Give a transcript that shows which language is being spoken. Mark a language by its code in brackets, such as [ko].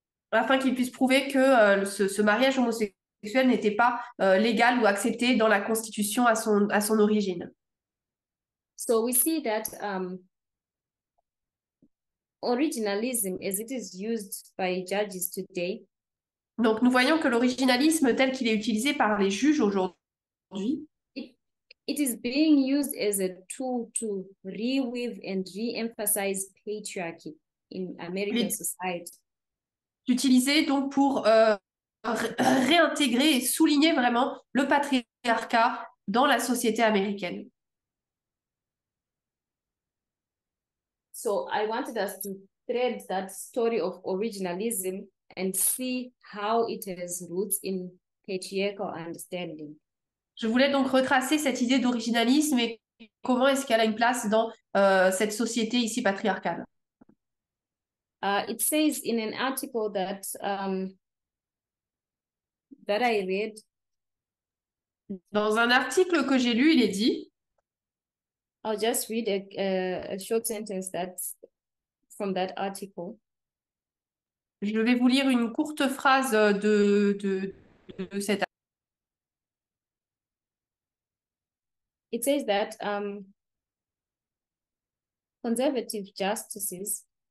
[fr] Afin qu'ils puissent prouver que ce mariage homosexuel n'était pas légal ou accepté dans la constitution à son origine. [en] So we see that originalism, as it is used by judges today. [fr] Donc nous voyons que l'originalisme tel qu'il est utilisé par les juges aujourd'hui. [en] It is being used as a tool to reweave and re-emphasize patriarchy in American society. [fr] Utilisé donc pour réintégrer et souligner vraiment le patriarcat dans la société américaine. [en] So I wanted us to thread that story of originalism and see how it has roots in patriarchal understanding. [fr] Je voulais donc retracer cette idée d'originalisme et comment est-ce qu'elle a une place dans cette société ici patriarcale. [en] It says in an article that I read. [fr] Dans un article que j'ai lu, il est dit. [en] I'll just read a short sentence that's from that article. [fr] Je vais vous lire une courte phrase de cet article. [en] It says that conservative justices.